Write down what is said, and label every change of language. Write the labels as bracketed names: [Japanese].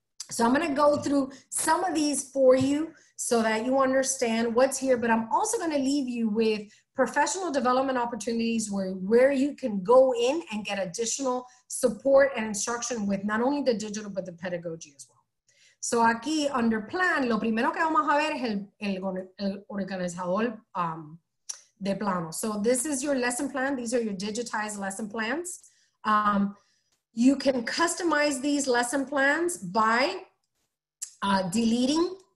[English] So I'm going to go through some of these for you so that you understand what's here, but I'm also going to leave you with professional development opportunities where you can go in and get additional support and instruction with not only the digital, but the pedagogy as well. [Spanish] So aquí [English] under plan, [Spanish] lo primero que vamos a ver es el organizador de plano. [English] So this is your lesson plan. These are your digitized lesson plans. You can customize these lesson plans by deleting.